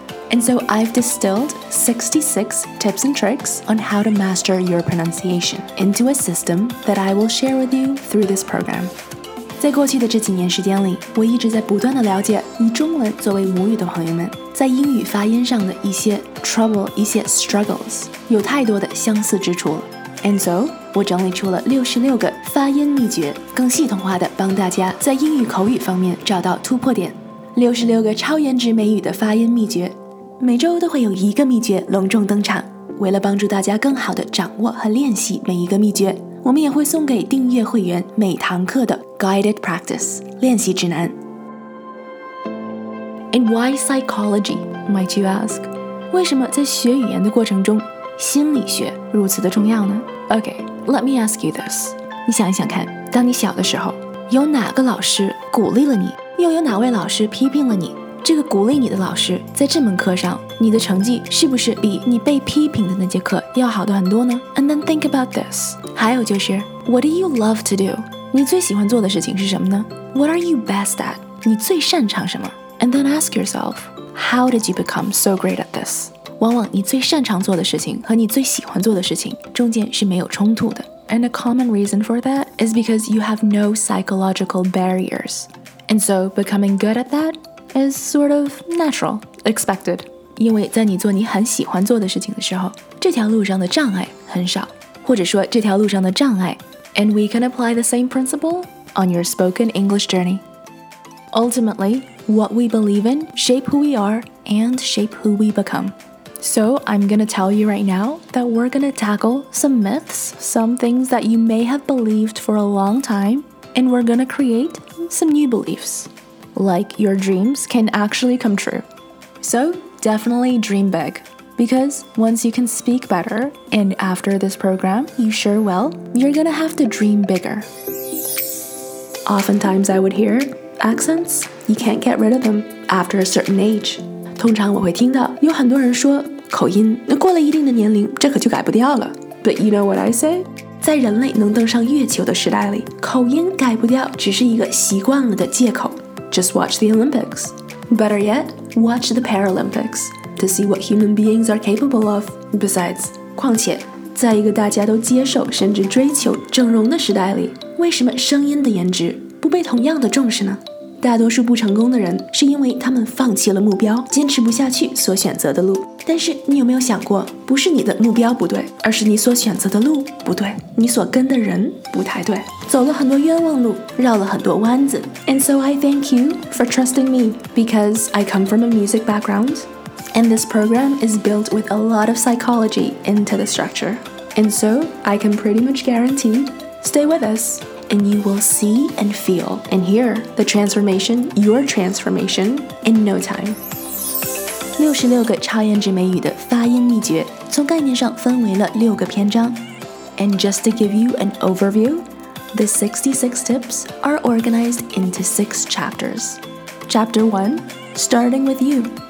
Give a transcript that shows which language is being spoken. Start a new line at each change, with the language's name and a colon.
English: And so I've distilled 66 tips and tricks on how to master your pronunciation into a system that I will share with you through this program.
Chinese: 在过去的这几年时间里，我一直在不断地了解以中文作为母语的朋友们在英语发音上的一些
English: trouble,
Chinese: 一些
English: struggles,
Chinese: 有太多的相似之处了。
English: And so,
Chinese: 我整理出了66个发音秘诀，更系统化的帮大家在英语口语方面找到突破点。 66个超颜值美语的发音秘诀，每周都会有一个秘诀隆重登场。为了帮助大家更好的掌握和练习每一个秘诀，我们也会送给订阅会员每堂课的 Guided Practice 练习指南。
English: And why psychology, might you ask?
Chinese: 为什么在学语言的过程中心理学如此的重要呢？
English: Okay, let me ask you this.
Chinese: 你想一想看，当你小的时候，有哪个老师鼓励了你，又有哪位老师批评了你？这个鼓励你的老师，在这门课上，你的成绩是不是比你被批评的那节课要好的很多呢？
English: And then think about this.
Chinese: 还有就是，
English: What do you love to do?
Chinese: 你最喜欢做的事情是什么呢？
English: What are you best at?
Chinese: 你最擅长什么？
English: And then ask yourself, How did you become so great at this?
Chinese: 往往你最擅长做的事情和你最喜欢做的事情中间是没有冲突的。
English: And a common reason for that is because you have no psychological barriers. And so becoming good at that is sort of natural, expected.
Chinese: 因为在你做你很喜欢做的事情的时候，这条路上的障碍很少，或者说这条路上的障碍。
English: And we can apply the same principle on your spoken English journey. Ultimately, what we believe in shape who we are and shape who we become. So, I'm gonna tell you right now that we're gonna tackle some myths, some things that you may have believed for a long time, and we're gonna create some new beliefs, like your dreams can actually come true. So, definitely dream big, because once you can speak better, and after this program, you sure will, you're gonna have to dream bigger. Oftentimes I would hear, accents, you can't get rid of them after a certain age.
Chinese: 通常我会听到有很多人说口音那过了一定的年龄这可就改不掉了。
English: But you know what I say?
Chinese: 在人类能登上月球的时代里，口音改不掉只是一个习惯了的借口。
English: Just watch the Olympics. Better yet, watch the Paralympics to see what human beings are capable of. Besides,
Chinese: 况且，在一个大家都接受甚至追求整容的时代里，为什么声音的颜值不被同样的重视呢？大多数不成功的人是因为他们放弃了目标，坚持不下去所选择的路。但是你有没有想过，不是你的目标不对，而是你所选择的路不对，你所跟的人不太对，走了很多冤枉路，绕了很多弯子。
English: And so I thank you for trusting me, because I come from a music background, and this program is built with a lot of psychology into the structure. And so I can pretty much guarantee, stay with us. And you will see and feel and hear the transformation, your transformation, in no time.
Chinese: 66个超颜值美语的发音秘诀，从概念上分为了六个篇章。
English: And just to give you an overview, the 66 tips are organized into 6 chapters. Chapter 1, starting with you.